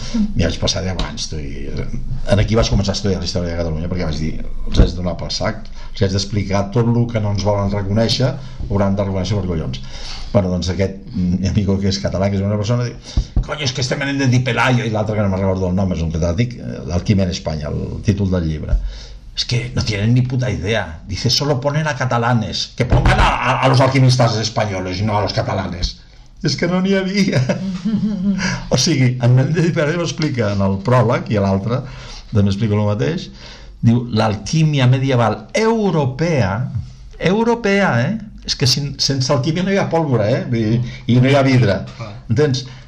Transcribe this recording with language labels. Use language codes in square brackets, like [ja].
[ca] I vaig passar 10 anys tu, i aquí vaig començar a estudiar la història de Catalunya, perquè vaig dir, els has de donar pel sac, els has d'explicar tot el que no ens volen reconèixer, hauran de reconèixer per collons. Bueno, doncs aquest amigo que és català, que és bona persona, diu, coño, és que este menen de dir Pelayo, i l'altre que no me'n recordo el nom, és un catedràtic, l'alquimia en Espanya, el títol del llibre. [es] Es que no tienen ni puta idea. Dice, solo ponen a catalanes. Que pongan a los alquimistas españoles y no a los catalanes. [ca] Es que no n'hi havia. O sigui, en Menéndez y Pelayo explica en el pròleg, i a l'altre també explica el mateix, diu, l'alquímia medieval europea, és que sense alquímia no hi ha pólvora, i no hi ha vidre. Entens?